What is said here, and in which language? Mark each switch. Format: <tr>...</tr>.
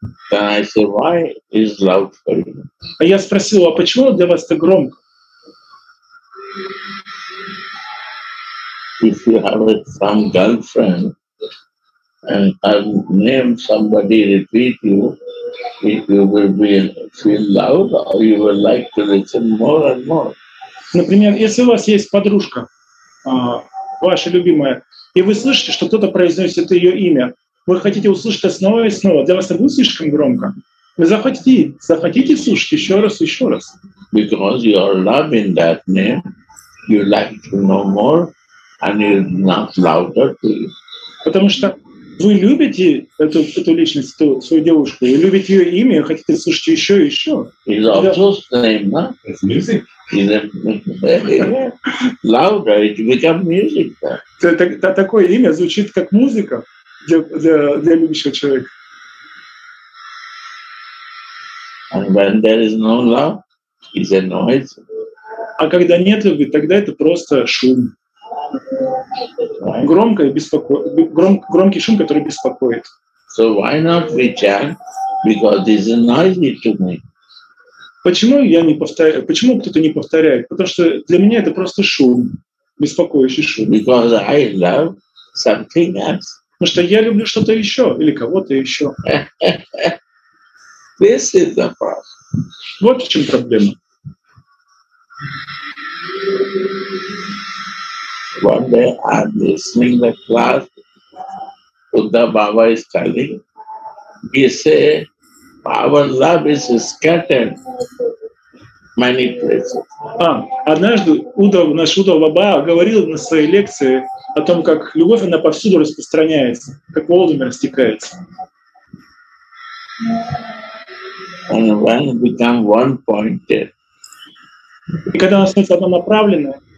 <en>Then I said, why is loud for you?</en> <ru>А я спросил, а почему для вас это громко?</ru> <en>If you have some girlfriend and I'll name somebody repeat you, if you will be feel loud or you will like to listen more and more.</en> <ru>Например, если у вас есть подружка, ваша любимая, и вы слышите, что кто-то произносит ее имя. Вы хотите услышать это снова и снова. Для вас это будет слишком громко. Вы захотите слушать еще раз и еще раз.</ru> <en>Because you are loving that name, you like to know more, and it's not louder to you.</en> <ru>Потому что вы любите эту личность, эту свою девушку, и любите ее имя, и хотите слушать еще и еще.</ru> <en>It's also the name, huh? It's music. It's louder, it becomes music.</en> <ru>Такое имя звучит как музыка. Для любящего человека.</ru> <en>And when there is no love, it's a noise.</en> <ru>А когда нет любви, тогда это просто шум.</ru> <en>Right.</en> <ru>Громкий шум, который беспокоит.</ru> <en>So why not we chant? Because this is noisy to me.</en> <ru>Почему кто-то не повторяет? Потому что для меня это просто шум, беспокоящий шум.</ru> <en>Because I love something else.</en> <ru>Потому что я люблю что-то еще или кого-то еще.</ru> <en>This is the problem.</en> <ru>Вот в чем проблема.</ru> <en>One day I'm listening the class, Buddha Baba is telling. He say, our love is scattered many places.</en> <ru>Однажды наш Удава Баба говорил на своей лекции о том, как любовь, она повсюду распространяется, как волнами растекается.</ru> <en>And when it become one-pointed.</en> <ru>И когда она становится однонаправленной,</ru>